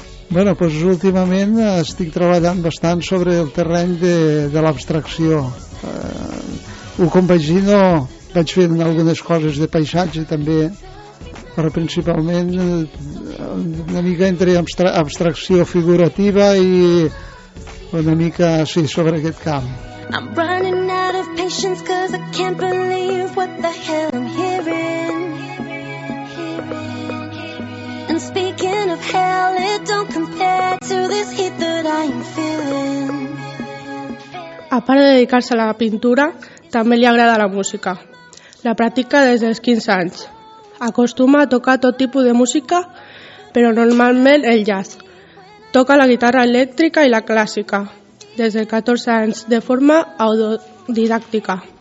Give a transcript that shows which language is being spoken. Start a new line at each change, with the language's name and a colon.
Catalan: Bueno, doncs últimament estic treballant bastant sobre el terreny de l'abstracció. Ho compagino, vaig fent algunes coses de paisatge també, però principalment una mica entre abstracció figurativa i una mica, sí, sobre aquest camp.
English: I'm running out of patience 'cause I can't believe what the hell I'm hearing. And speaking of hell, it don't compare to this heat that I'm feeling.
Catalan: A part de dedicar-se a la pintura, també li agrada la música. La practica des dels 15 anys. Acostuma a tocar tot tipus de música, però normalment el jazz. Toca la guitarra elèctrica i la clàssica, des dels 14 anys, de forma autodidàctica.